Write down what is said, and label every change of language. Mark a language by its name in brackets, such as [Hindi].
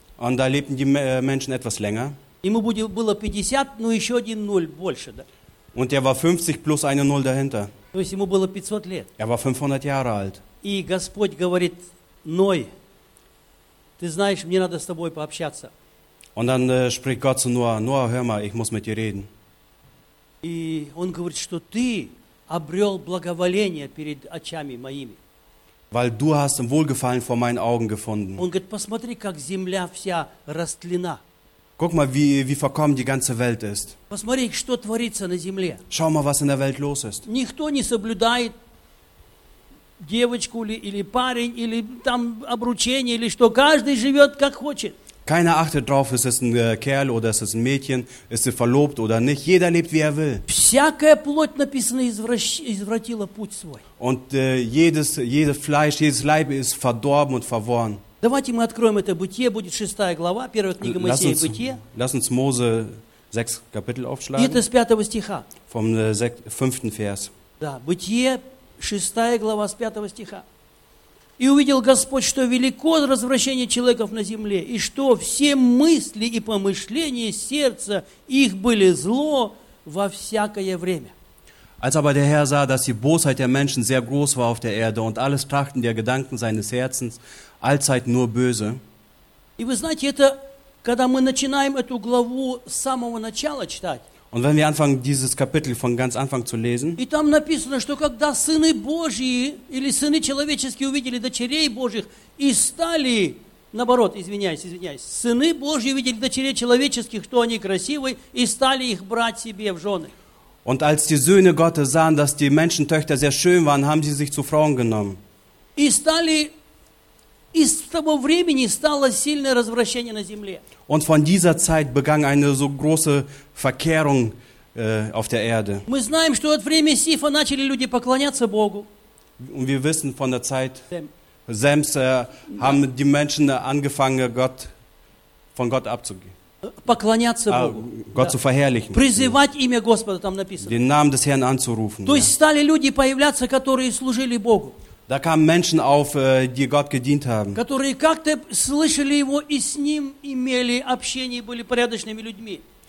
[German] und da lebten die Menschen etwas länger, [Russian] ему было 50, но еще один ноль больше, да? [German] Und er war 50 plus eine Null dahinter. [Russian] То есть ему было 500 лет. [German] Er war 500 Jahre alt. [Russian] И Господь говорит, Ной, ты знаешь, мне надо с тобой пообщаться. [German] Und dann spricht Gott zu Noah, Noah, hör mal, ich muss mit dir reden. [Russian] И он говорит, что ты обрел благоволение перед очами моими. [German] Weil du hast Wohlgefallen vor meinen Augen gefunden. [Russian] Он говорит, посмотри, как земля вся растлена. [German] Guck mal, wie verkommen die ganze Welt ist. [Russian] Посмотри, что творится на земле. [German] Schau mal, was in der Welt los ist. [Russian] Никто не соблюдает девочку или парень или там обручение или что. Каждый живет как хочет. [German] Keiner achtet drauf, ist es ein Kerl oder ist es ein Mädchen, ist sie verlobt oder nicht. Jeder lebt, wie er will. [Russian] Всякая плоть написана извратила путь свой. [German] Und jedes Fleisch, jedes Leib ist verdorben und verworren. [Russian] Давайте мы откроем это Бытие, будет 6 глава, 1 книга Моисея, Бытие. [German] Lass uns Mose 6 Kapitel aufschlagen. [Russian] Это с 5 стиха. [German] Vom 5. Vers. [Russian] Да, Бытие, 6 глава, с 5 стиха. И увидел Господь, что велико развращение человеков на земле, и что все мысли и помышления сердца их были зло во всякое время. [German] Als aber der Herr sah, dass die Bosheit der Menschen sehr groß war auf der Erde und alles Trachten der Gedanken seines Herzens allzeit nur böse. [Russian] И вы знаете, это когда мы начинаем эту главу с самого начала читать. [German] Und wenn wir anfangen, dieses Kapitel von ganz Anfang zu lesen, [Russian] и там написано, что когда сыны Божьи или сыны человеческие увидели дочерей Божьих и стали, наоборот, извиняюсь, сыны Божьи увидели дочерей человеческих, что они красивые, и стали их брать себе в жены. [German] Und als die Söhne Gottes sahen, dass die Menschentöchter sehr schön waren, haben sie sich zu Frauen genommen. [Russian] И стали Из того времени стало сильное развращение на земле. [German] Und von dieser Zeit begann eine so große Verkehrung auf der Erde. [Russian] Мы знаем, что от времени Сифа начали люди поклоняться Богу. [German] Und wir wissen von der Zeit Sems haben die Menschen angefangen von Gott abzugehen. [Russian] Поклоняться Богу. [German] Gott zu verherrlichen. [Russian] Призывать имя Господа, там написано. [German] Den Namen des Herrn anzurufen. [Russian] То есть стали люди появляться, которые служили Богу. [German] Da kamen Menschen auf, die Gott gedient haben. [Russian] Которые как-то слышали его и с ним имели общение, были порядочными людьми.